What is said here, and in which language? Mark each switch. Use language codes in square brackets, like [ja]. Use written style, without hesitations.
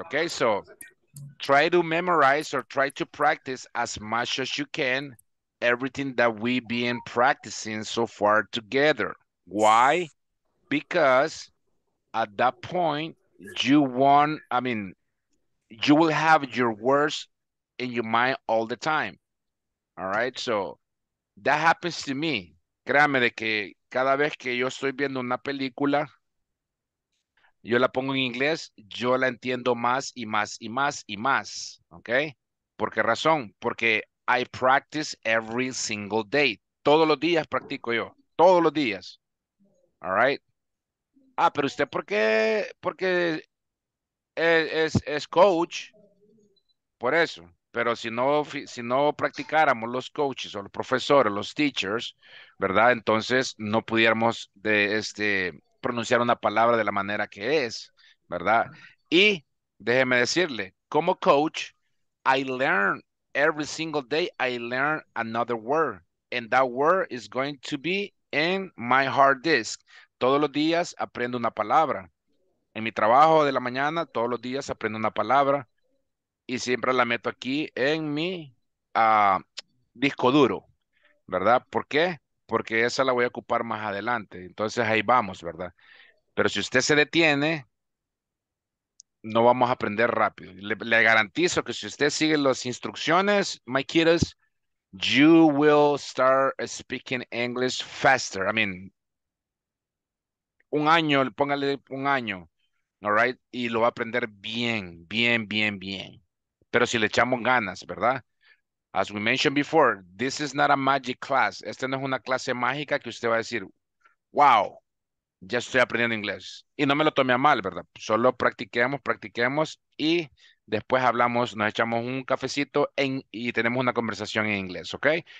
[en] Okay, so try to memorize or try to practice as much as you can everything that we've been practicing so far together. Why? Because at that point, you will have your words in your mind all the time. All right, so that happens to me. [es] Créame de que cada vez que yo estoy viendo una película, yo la pongo en inglés, yo la entiendo más y más y más y más, okay? ¿Por qué razón? [en] Porque I practice every single day. [es] Todos los días practico yo, todos los días. [en] All right? [es] Ah, pero usted porque es coach, por eso. Pero si no practicáramos los coaches o los profesores, los teachers, ¿verdad? Entonces no pudiéramos pronunciar una palabra de la manera que es, ¿verdad? Y déjeme decirle, como coach, [en] I learn every single day, I learn another word. And that word is going to be in my hard disk. [es] Todos los días aprendo una palabra. En mi trabajo de la mañana, todos los días aprendo una palabra. Y siempre la meto aquí en mi disco duro, ¿verdad? ¿Por qué? Porque esa la voy a ocupar más adelante. Entonces ahí vamos, ¿verdad? Pero si usted se detiene, no vamos a aprender rápido. Le garantizo que si usted sigue las instrucciones, [en] my kiddos, you will start speaking English faster. I mean, [es] un año, póngale un año, [en] all right? [es] Y lo va a aprender bien, bien, bien, bien. Pero si le echamos ganas, ¿verdad? [en] As we mentioned before, this is not a magic class. [es] Esta no es una clase mágica que usted va a decir, wow, ya estoy aprendiendo inglés. Y no me lo tome a mal, ¿verdad? Solo practiquemos, practiquemos y después hablamos, nos echamos un cafecito y tenemos una conversación en inglés, ¿ok?